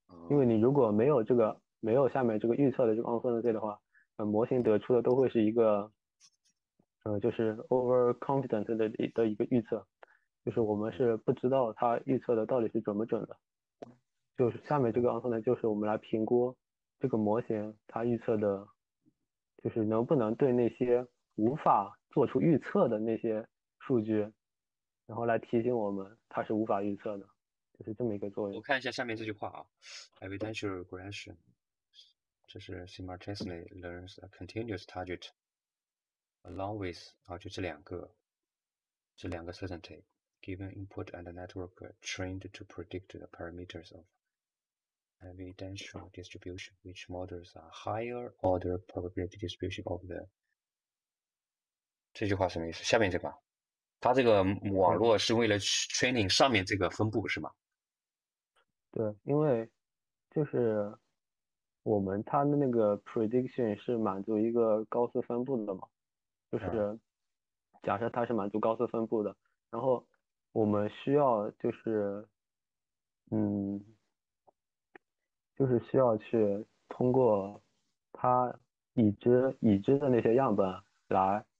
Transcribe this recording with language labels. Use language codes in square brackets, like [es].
[zh] 因为你如果没有这个，没有下面这个预测的这个 uncertainty 的话，模型得出的都会是一个就是 overconfident 的一个预测，就是我们是不知道它预测的到底是准不准的。就是下面这个 uncertainty 就是我们来评估这个模型它预测的。就是能不能对那些无法做出预测的那些数据，然后来提醒我们它是无法预测的，就是这么一个作我看一下下面这句话啊，evidential regression，这是 [en] simultaneously learns a continuous target along with [zh] 就这两个 certainty。 [en] given input and the network trained to predict the parameters of evidential distribution, which models a higher order probability distribution of the. [zh] 这句话什么意思？下面这个，它这个网络是为了 training 上面这个分布是吗？对，因为就是我们它的那个 prediction 是满足一个高斯分布的嘛，就是假设它是满足高斯分布的，然后我们需要就是就是需要去通过它已知的那些样本来。